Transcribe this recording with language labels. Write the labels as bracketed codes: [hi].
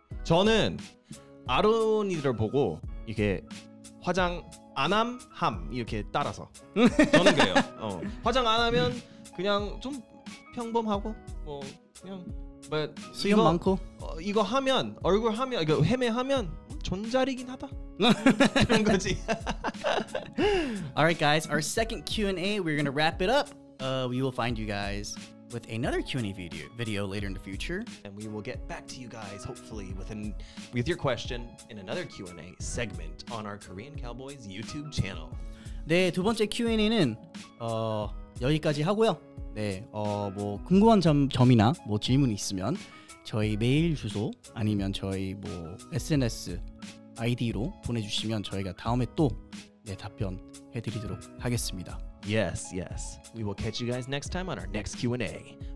[ko] 저는 아론이를 보고 이렇게 화장 안 함, 함 이렇게 따라서 저는 그래요. 화장 안 하면 그냥 좀 평범하고 뭐 그냥 But 수염 이거, 많고 이거 하면 얼굴 하면 이거 헤매하면 존잘이긴 하다 그런 거지. [en] All right, guys. Our second Q&A. We're gonna wrap it up. We will find you guys with another Q&A video later in the future, and we will get back to you guys hopefully with your question in another Q&A segment on our Korean Cowboys YouTube channel. [ko] 네, 두 번째 Q&A는 여기까지 하고요. 네, 뭐 궁금한 점이나 뭐 질문이 있으면 저희 메일 주소 아니면 저희 뭐 SNS 아이디로 보내주시면 저희가 다음에 또 네, 답변해드리도록 하겠습니다. [en] Yes, yes. We will catch you guys next time on our next Q&A.